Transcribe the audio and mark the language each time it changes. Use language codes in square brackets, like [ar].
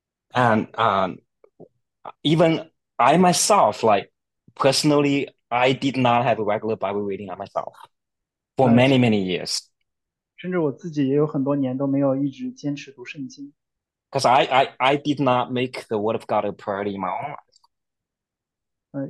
[en] And even I myself, like personally, I did not have a regular Bible reading on myself for many, many years. [zh] 甚至我自己也有很多年都没有一直坚持读圣经。 [en] Because I did not make the word of God a priority in my own life.